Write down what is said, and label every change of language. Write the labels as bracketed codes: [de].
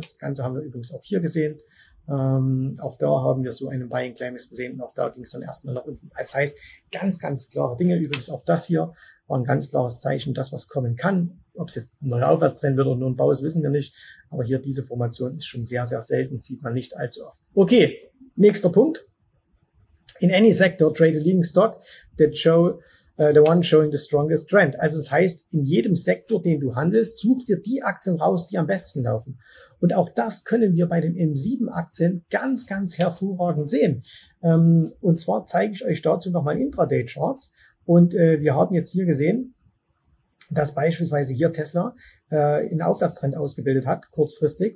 [de] Das Ganze haben wir übrigens auch hier gesehen. Auch da haben wir so einen Buying Climax gesehen und auch da ging es dann erstmal nach unten. Das heißt, ganz, ganz klare Dinge. Übrigens auch das hier war ein ganz klares Zeichen, dass was kommen kann. Ob es jetzt ein neuer Aufwärtstrend wird oder nur ein Bau ist, wissen wir nicht. Aber hier diese Formation ist schon sehr, sehr selten, sieht man nicht allzu oft. Okay, nächster Punkt. [en] In any sector, trade a leading stock that show the one showing the strongest trend. [de] Also das heißt, in jedem Sektor, den du handelst, such dir die Aktien raus, die am besten laufen. Und auch das können wir bei den M7-Aktien ganz, ganz hervorragend sehen. Und zwar zeige ich euch dazu nochmal Intraday-Charts. Und wir haben jetzt hier gesehen, dass beispielsweise hier Tesla einen Aufwärtstrend ausgebildet hat, kurzfristig.